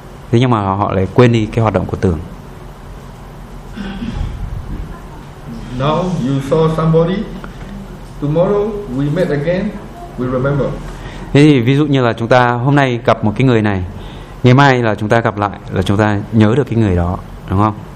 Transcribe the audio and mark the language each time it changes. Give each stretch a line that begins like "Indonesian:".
Vietnamese: Thế nhưng mà họ lại quên đi cái hoạt động của tưởng.
English: Now you saw somebody, tomorrow we met again, we remember.
Vietnamese: Thế thì ví dụ như là chúng ta hôm nay gặp một cái người này, ngày mai là chúng ta gặp lại, là chúng ta nhớ được cái người đó, đúng không?